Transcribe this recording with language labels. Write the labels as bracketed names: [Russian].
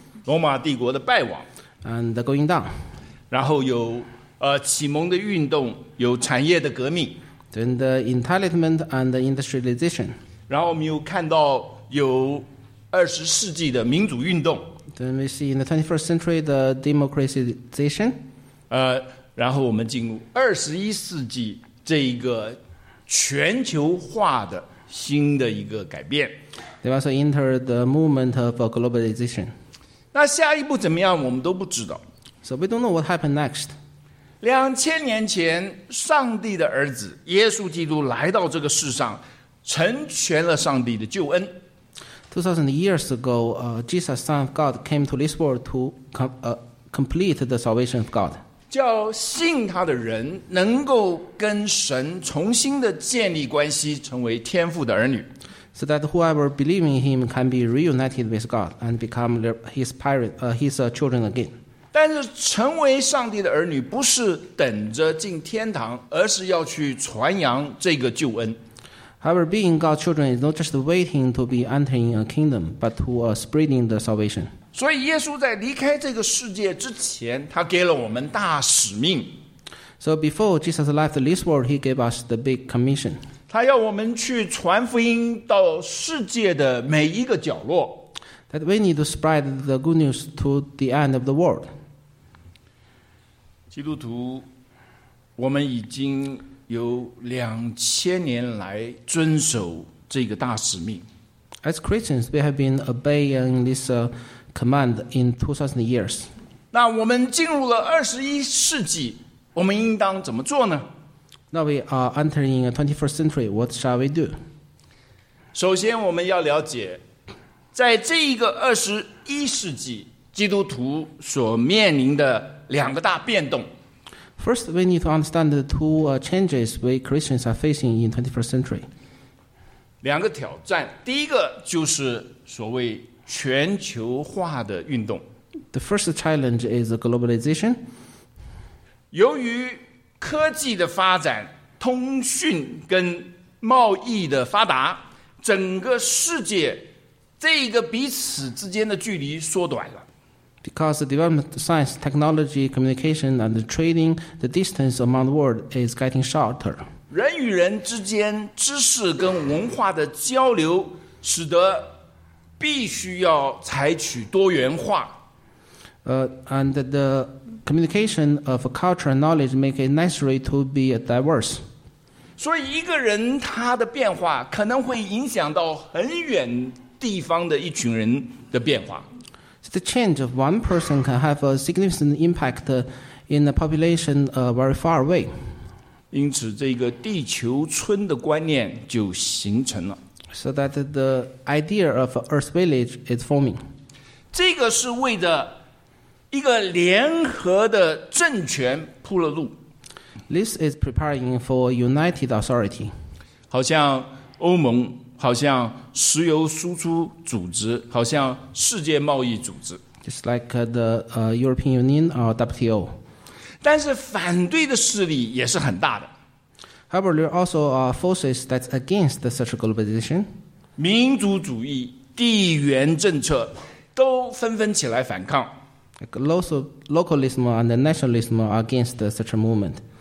[Chinese] 罗马帝国的败亡 [English] and going down. [Chinese] 然后有启蒙的运动，有产业的革命 [English] then the Enlightenment and the industrialization. [Chinese] 然后我们又看到有二十世纪的民主运动 [English] then we see in the 21st century the democratization. [Chinese] 然后我们进入二十一世纪这一个全球化的新的一个改变。 [English] They also enter the movement of globalization. [Chinese] 那下一步怎么样我们都不知道。 [English] So we don't know what happened next. [Chinese] 2000年前上帝的儿子耶稣基督来到这个世上，成全了上帝的救恩。 [English] 2000 years ago, Jesus, Son of God, came to this world to complete the salvation of God. [Chinese] 叫信他的人能够跟神重新的建立关系，成为天父的儿女。 [English] So that whoever believes in him can be reunited with God and become his children again. [Chinese] 但是成为上帝的儿女不是等着进天堂，而是要去传扬这个救恩。 [English] However, being God's children is not just waiting to be entering a kingdom, but to spreading the salvation. [Chinese] 所以耶稣在离开这个世界之前，他给了我们大使命。 [English] So before Jesus left this world, he gave us the big commission. [Chinese] 他要我们去传福音到世界的每一个角落。 [English] That we need to spread the good news to the end of the world. [Chinese] 基督徒，我们已经有2000年来遵守这个大使命。 [English] As Christians, we have been obeying this command in 2000 years. [Chinese] 那我们进入了21世纪，我们应当怎么做呢？ [English] Now we are entering a 21st century. What shall we do? [Chinese] 首先我们要了解，在这一个二十一世纪，基督徒所面临的两个大变动。 [English] First, we need to understand the two changes we Christians are facing in 21st century. [Chinese] 两个挑战，第一个就是所谓全球化的运动。 [English] The first challenge is globalization. [Chinese] 由于科技的发展，通讯跟贸易的发达，整个世界这个彼此之间的距离缩短了。 [English] Because the development of science, technology, communication, and the trading, the distance among the world is getting shorter. [Chinese] 人与人之间知识跟文化的交流，使得必须要采取多元化。 [English] And the communication of culture and knowledge make it necessary to be diverse. [Chinese] 所以一个人他的变化可能会影响到很远地方的一群人的变化。 [English] So、the change of one person can have a significant impact in a population very far away. [Chinese] 因此这个地球村的观念就形成了。 [English] So that the idea of Earth Village is forming. [Chinese] 这个是为着一个联合的政权铺了路。 [English] This is preparing for a united authority. [Chinese] 好像欧盟，好像石油输出组织，好像世界贸易组织。 [English] Just like the European Union or WTO. [Chinese] 但是反对的势力也是很大的。 [English] However, there are also forces that's against such globalization. [Chinese] 民族主义、地缘政策都纷纷起来反抗。 [English] Localism and nationalism are against such a movement.